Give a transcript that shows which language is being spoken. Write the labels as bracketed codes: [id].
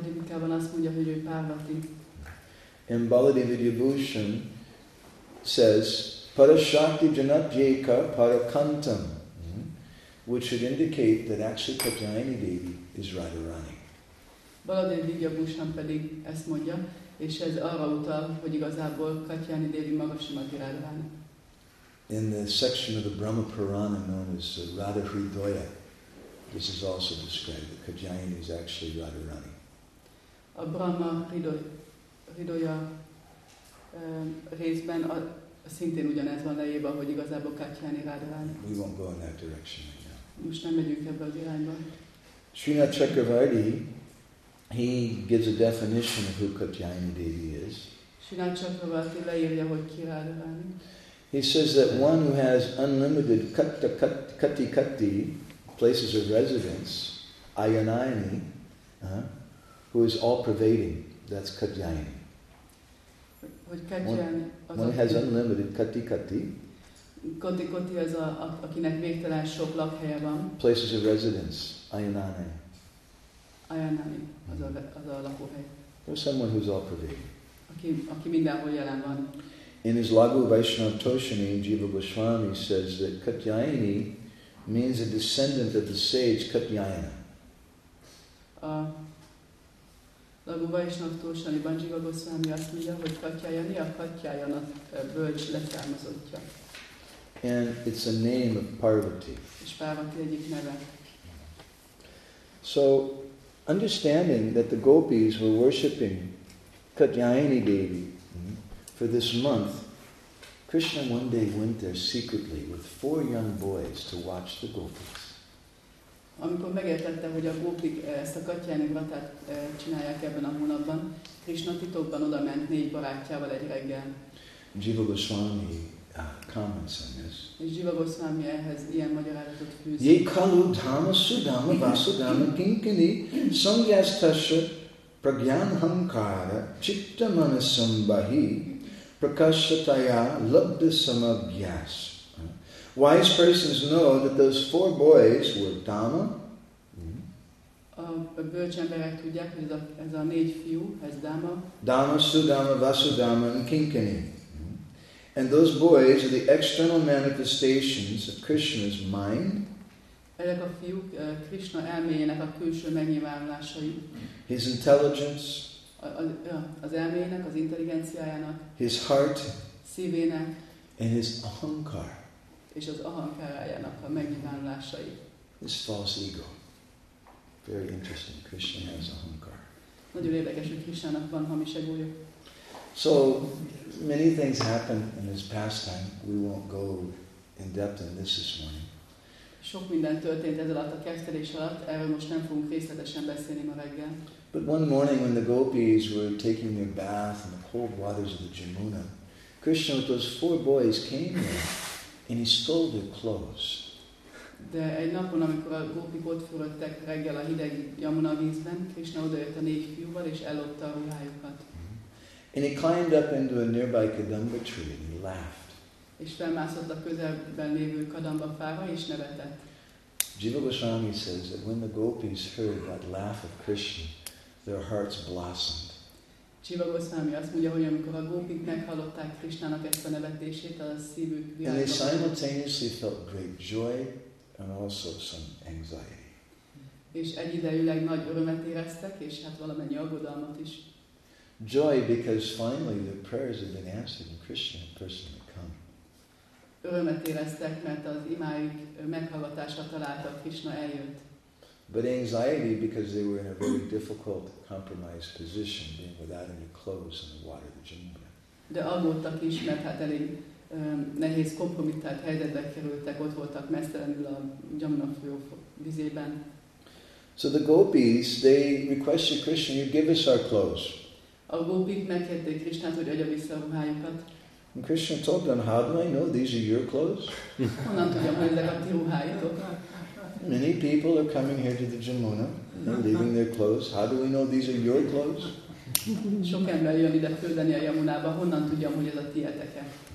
[en] And Baladeva Vibhushan says, [sa] Parashakti Janatyeka Parakantam, [en] which should indicate that actually Katyayani Devi is Radharani. [hu] Baladeva Vibhushan pedig ezt mondja, és ez arra utal, hogy igazából Katyayani Devi maga sem a Radharani. [en] In the section of the Brahma Purana known as Radha Hridaya, this is also described that Katyayani is actually Radharani. [hu] A Brahma Hridaya részben szintén ugyanez van leírva, hogy igazából Katyayani Radharani. [en] We won't go in that direction right now. [hu] Most nem megyünk ebbe az irányba. [en] Srinath Chakravarti, he gives a definition of who Katyayani Devi is. [hu] Srinath Chakravarti leírja, hogy ki Radharani. [en] He says that one who has unlimited kati-kati, places of residence, Ayanayani, who is all-pervading, that's Katyayani. One has unlimited kati-kati. [hu] Kati-kati az, akinek végtelen sok lakhelye van. [en] Places of residence, Ayanayani. [hu] Ayanayani, az a lakóhely. [en] There's someone who's all-pervading. [hu] Aki mindenhol jelen van. [en] In his Lagu Vaishnava Toshini, Jiva Goswami says that Katyayani means a descendant of the sage Katyayana. [hu] Lagu Vaishnava Toshini Jiva Goswami azt mondja, hogy Katyayani a Katyayana bölcs leszármazottja. [en] And it's a name of Parvati. [hu] És Parvati egyik neve. [en] So, understanding that the gopis were worshipping Katyayani Devi for this month, Krishna one day went there secretly with four young boys to watch the gopis. [hu] Amikor megértette, hogy a gópik ezt a Katyayani vratát csinálják ebben a hónapban, Krishna titokban oda ment négy barátjával egy reggel. [en] Jiva Goswami comments on this. [hu] És Jiva Goswami ehhez ilyen magyarázatot fűz. [sa] Ye kalu dhamma sudhamma vasudhamma kinkini sangyastasya pragyanhamkara chitta manasambahi prakashataya labdha samabhyas. [en] Wise persons know that those four boys were dhamma. [hu] A bölcs emberek tudják, hogy ez a négy fiú, ez dhamma. [en] Dhamma, sudhamma, vasudhamma, and kinkani. And those boys are the external manifestations of Krishna's mind. [hu] Ezek a fiúk Krishna elméjének a külső megnyilvánulásai. [en] His intelligence. [hu] Az elméjének, az intelligenciájának. [en] His heart. [hu] Szívének. [en] And his ahankar. [hu] És az ahankarájának a megnyilvánulásai. [en] His false ego. Very interesting. Krishna has a hunkar. [hu] Nagyon érdekes, hogy Krishnának van hamis egója. [en] So many things happen in his pastime. We won't go in depth on this this morning. [hu] Sok minden történt ez alatt a keresztelés alatt. Erről most nem fogunk részletesen beszélni ma reggel. [en] But one morning when the gopis were taking their bath in the cold waters of the Jamuna, Krishna with those four boys came there and he stole their clothes. [hu] De egy napon, amikor a gópik ott fürödtek reggel a hideg Jamuna vízben, Krishna odajött a négy fiúval és ellopta a ruhájukat. [en] And he climbed up into a nearby kadamba tree and he laughed. [hu] És felmászott a közelben lévő kadamba fára és nevetett. [en] Jiva Goswami says that when the gopis heard that laugh of Krishna, their hearts blossomed. [hu] Jiva Goswami azt mondja, hogy amikor a gópik meghallották Krishnának ezt a nevetését, a szívük virágzott. [en] And they simultaneously felt great joy. And also some anxiety. [hu] És egyidejűleg nagy örömet éreztek, és hát valamennyi aggodalmat is. [en] Joy because finally their prayers have been answered and Krishna personally come. [hu] Örömet éreztek, mert az imáik meghallgatásra találtak, Krishna eljött. [en] But anxiety because they were in a very difficult compromised position, being without any clothes in the water of the Jamuna. [hu] De aggódtak is, mert hát elég nehéz kompromittált helyzetbe kerültek, ott voltak mesztelenül a Jamuna folyó vizében. [en] So the gopis, they requested Krishna, you give us our clothes. [hu] A gopik megkérték Krishnát, hogy adja vissza a ruhájukat. [en] And Krishna told them, how do I know these are your clothes? [hu] Honnan tudjam, hogy ezek a ti ruháitok? [en] Many people are coming here to the Jamuna, leaving their clothes. How do we know these are your clothes? [hu] Sok ember jön ide küldeni a Jamunába, honnan tudjam, hogy ez a tieteke?